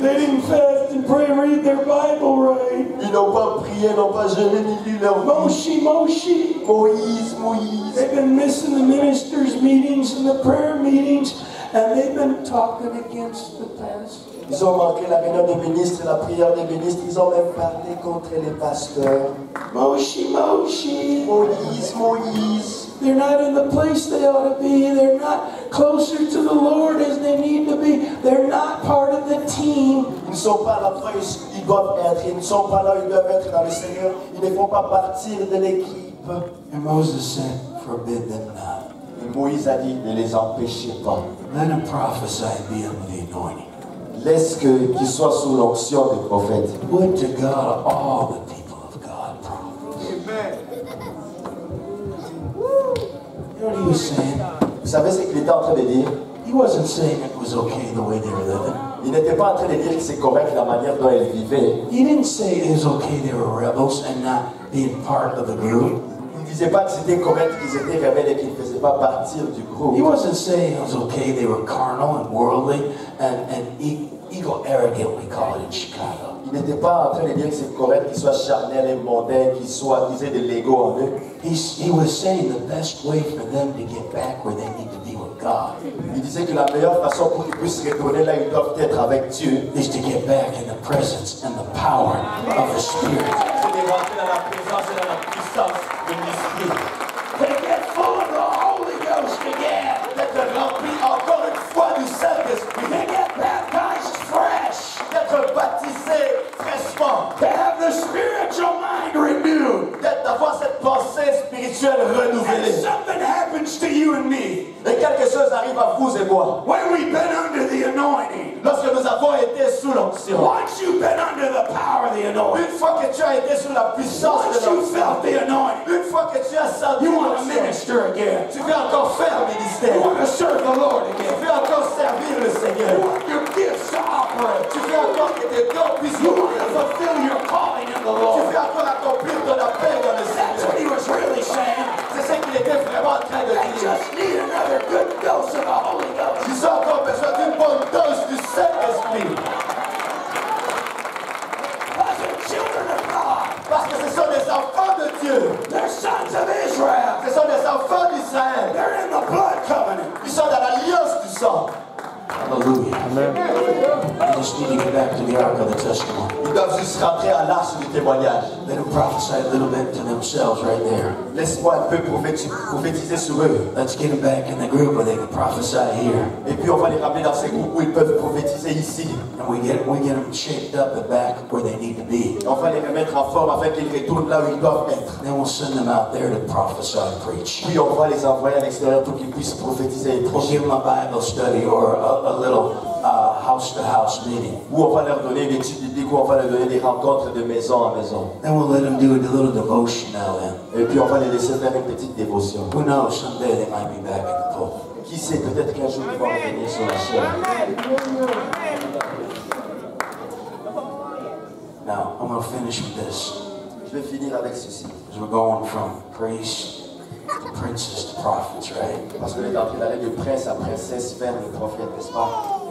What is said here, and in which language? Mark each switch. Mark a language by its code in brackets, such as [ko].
[en] They didn't fast and pray and read their Bible right. [fr] Ils n'ont pas prié, n'ont pas jeûné ni lu leur [en] Bible. Moshe, Moshe. [fr] Moïse, Moïse. [en] They've been missing the ministers' meetings and the prayer meetings. And they've been talking against the pastor. [fr] Ils ont manqué la réunion des ministres et la prière des ministres. Ils ont même parlé contre les pasteurs. [en] Moshi, Moshi. [fr] Moïse, Moïse. [en] They're not in the place they ought to be. They're not closer to the Lord as they need to be. They're not part of the team. [fr] Ils ne sont pas à la place ils doivent être. Ils ne sont pas là, ils doivent être dans le Seigneur. Ils ne font pas partir de l'équipe. [en] And Moses said, forbid them not. [fr] Et Moïse a dit, ne les empêchez pas. [en] Let them prophesy be under the anointing. [fr] Laisse que qu'ils soient sous l'onction des prophètes. [en] Would to God all the people of God prophesy. Amen. What he was saying. [fr] Vous savez ce qu'il était en train de dire? [en] He wasn't saying it was okay the way they were living. [fr] Il n'était pas en train de dire que c'est correct la manière dont ils vivaient. [en] He didn't say it was okay they were rebels and not being part of the group. [fr] Il ne disait pas que c'était correct qu'ils étaient rebelles et qu'ils ne faisaient pas partie du groupe. [en] He wasn't saying it was okay they were carnal and worldly and ego arrogant, we call it in Chicago. [fr] Il n'était pas en train de dire que c'est correct qu'ils soient charnels et mondains, qu'ils soient disait de l'ego en eux. [en] He was saying the best way for them to get back where they need to be with God. [fr] Il disait que la meilleure façon pour qu'ils puissent retourner là où ils doivent être avec Dieu [en] is to get back in the presence and the power of the Spirit. [fr] C'est de rentrer dans la présence et dans la puissance de l'Esprit. [en] To get full of the Holy Ghost again. [fr] D'être rempli encore une fois du Saint-Esprit. [en] To get baptized fresh. [fr] D'être baptisé fraîchement. [en] To have the spiritual mind renewed. [fr] D'avoir cette pensée spirituelle renouvelée. [en] And something happens to you and me. [fr] Et quelque chose arrive à vous et moi. [en] When we've been under the anointing. [fr] Lorsque nous avons été sous l'onction. [en] Once you've been under the power of the anointing. [fr] Une fois que tu as été sous la puissance de l'onction. [en] Once you felt the anointing. [fr] Une fois que tu as senti l'onction. [en] You want to minister again. [fr] Tu veux encore faire ministère. [en] You want to serve the Lord again. [fr] Tu veux encore servir le Seigneur. [en] You want your gifts to operate. [fr] Tu veux encore que tes dons puissent. [en] You want to fulfill your calling in the Lord. [fr] Tu veux encore accomplir ton appel dans le Seigneur. [en] That's what he was really saying. [fr] C'est ce qu'il était vraiment en train de dire. [en] They just need another. [fr] Ils ont encore besoin d'une bonne dose du Saint-Esprit. Parce que ce sont des enfants de Dieu. [en] They're sons of Israel. [fr] Ce sont des enfants d'Israël. [en] They're in the blood covenant. [fr] Ils sont dans l'alliance du sang. [en] Hallelujah. Amen. We just need to get back to the ark of the testimony. [fr] Ils doivent juste rentrer à l'arche du témoignage. [en] Let them prophesy a little bit to themselves right there. [fr] Laisse-moi un peu prophétiser sur eux. [en] Let's get them back in the group where they can prophesy here. [fr] Et puis on va les ramener dans ces groupes où ils peuvent prophétiser ici. [en] And we get them shaped up and back where they need to be. [fr] On va les remettre en forme afin qu'ils retournent là où ils doivent être. [en] Then we'll send them out there to prophesy and preach. [fr] Puis on va les envoyer à l'extérieur pour qu'ils puissent prophétiser et prêcher. [en] We'll give them a Bible study or a little house-to-house meeting. [fr] Où on va leur donner des études bibliques, où on va leur donner des rencontres de maison à maison. [en] Then we'll let them do a little devotion now then. [fr] Et puis on va les laisser faire une petite dévotion. [en] Who knows, someday they might be back in the pool. [fr] Qui sait, peut-être qu'un jour ils vont revenir sur la chaîne. Amen. [en] Now, I'm going to finish with this. [fr] Je vais finir avec ceci. [en] As we're going from priests to princes to prophets, right? [fr] Parce qu'on est en train d'aller de prince à princesse vers le prophète, n'est-ce pas?